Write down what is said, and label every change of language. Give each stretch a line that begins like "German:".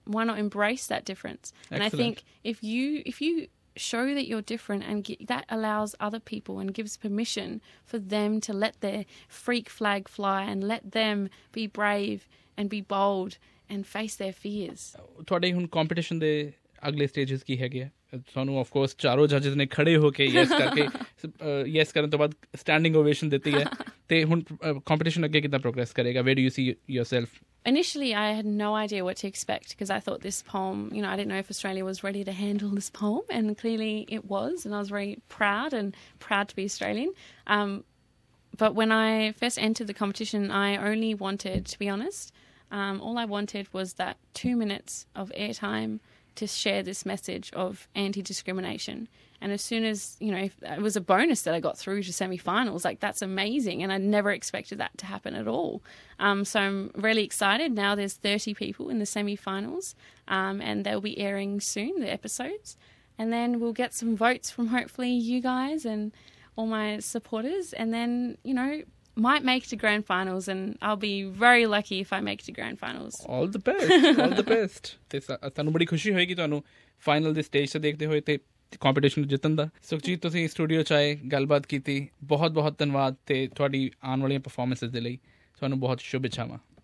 English: Why not embrace that difference? Excellent. And I think if you show that you're different and that allows other people and gives permission for them to let their freak flag fly and let them be brave and be bold and face their fears.
Punjabi: ਤੁਹਾਡੇ ਹੁਣ competition ਦੇ ਅਗਲੇ stages ਕੀ ਹੈਗੇ ਆ? ਤੁਹਾਨੂੰ of course ਚਾਰੋ ਜੱਜਸ ਨੇ ਖੜੇ ਹੋ ਕੇ ਯੈਸ ਕਰਕੇ ਯੈਸ ਕਰਨ ਤੋਂ ਬਾਅਦ ਸਟੈਂਡਿੰਗ ਓਵੇਸ਼ਨ ਦਿੱਤੀ ਹੈ, ਤੇ ਹੁਣ ਕੰਪੀਟੀਸ਼ਨ ਅੱਗੇ ਕਿੱਦਾਂ ਪ੍ਰੋਗਰੈਸ ਕਰੇਗਾ?
English: Where do you see yourself? Initially, I had no idea what to expect because I thought this poem, I didn't know if Australia was ready to handle this poem, and clearly it was, and I was very proud and proud to be Australian. But when I first entered the competition, I only wanted, to be honest, all I wanted was that 2 minutes of airtime to share this message of anti-discrimination. And as soon as, it was a bonus that I got through to semifinals. Like, that's amazing. And I never expected that to happen at all. So I'm really excited. Now there's 30 people in the semifinals, and they'll be airing soon, the episodes. And then we'll get some votes from hopefully you guys and all my supporters. And then, might make it to grand finals. And I'll be very lucky if I make it to grand finals. All the best. All the best.
Punjabi: ਤੁਹਾਨੂੰ ਬੜੀ ਖੁਸ਼ੀ ਹੋਏਗੀ ਤੁਹਾਨੂੰ final ਦੇ stage ਤੇ ਦੇਖਦੇ ਹੋਏ ਤੇ ਕੰਪੀਟੀਸ਼ਨ ਜਿੱਤਣ ਦਾ। ਸੁਖਜੀਤ, ਤੁਸੀਂ ਸਟੂਡੀਓ 'ਚ ਆਏ, ਗੱਲਬਾਤ ਕੀਤੀ, ਬਹੁਤ ਬਹੁਤ ਧੰਨਵਾਦ, ਅਤੇ ਤੁਹਾਡੀ ਆਉਣ ਵਾਲੀਆਂ ਪਰਫੋਰਮੈਂਸਿਸ ਦੇ ਲਈ ਤੁਹਾਨੂੰ ਬਹੁਤ ਸ਼ੁਭ ਇੱਛਾਵਾਂ।